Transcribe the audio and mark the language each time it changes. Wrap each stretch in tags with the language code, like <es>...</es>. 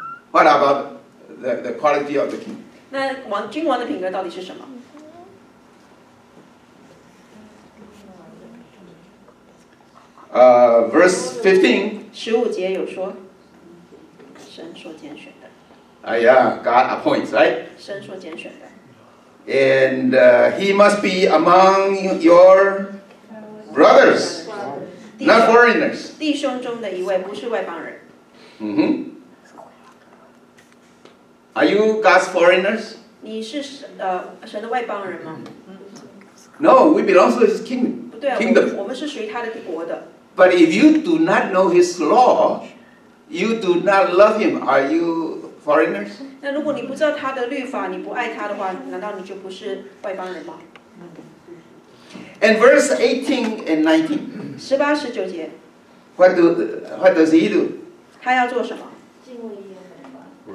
<en>？What about the quality of the king？</en> <zh>那王君王的品格到底是什么？</zh> <en>Verse 15。</en> <zh>十五节有说，神所拣选的。</zh> <en>Yeah, God appoints, right?</en> <zh>神所拣选的。</zh> <en>And he must be among your brothers, not foreigners.</en> <zh>弟兄中的一位，不是外邦人。 Mm-hmm.</zh> <en>Are you God's foreigners?</en> <zh>你是神的外邦人吗？</zh> <en>No, we belong to his kingdom.</en> <zh>不对啊，kingdom. 我们是属于他的国的。</zh> <en>But if you do not know his law, you do not love him. Are you foreigners?</en> <zh>那如果你不知道他的律法，你不爱他的话，难道你就不是外邦人吗？</zh> <en>And verse 18 and 19.</en> <zh>十八十九节。</zh> <en>What does he do?</en> <zh>他要做什么？敬畏耶和华。</zh>